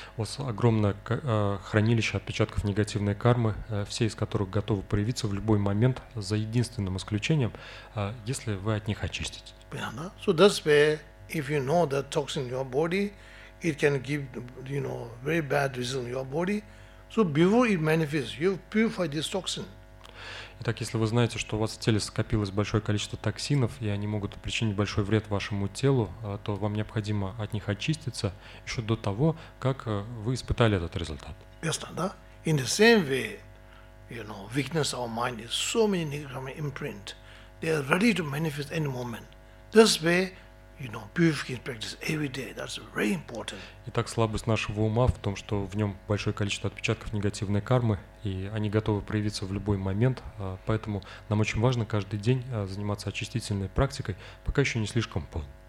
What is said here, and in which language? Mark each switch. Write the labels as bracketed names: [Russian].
[Russian] У вас огромное хранилище отпечатков негативной кармы, все из которых готовы проявиться в любой момент, за единственным исключением, если вы от них очиститесь. Понятно? [English] So that's where, if you know that toxin in your body, it can give, you know, very bad result in your body. So before it manifests, you purify this toxin. [Russian] Итак, если вы знаете, что у вас в теле скопилось большое количество токсинов, и они могут причинить большой вред вашему телу, то вам необходимо от них очиститься еще до того, как вы испытали этот результат. Ясно, да? [English] In the same way, you know, weakness of our mind is so many negative imprint. They are ready to manifest any moment. This way, you know, purification practice every day. That's very important. [Russian] Итак, слабость нашего ума в том, что в нем большое количество отпечатков негативной кармы, и они готовы проявиться в любой момент. Поэтому нам очень важно каждый день заниматься очистительной практикой, пока еще не слишком поздно.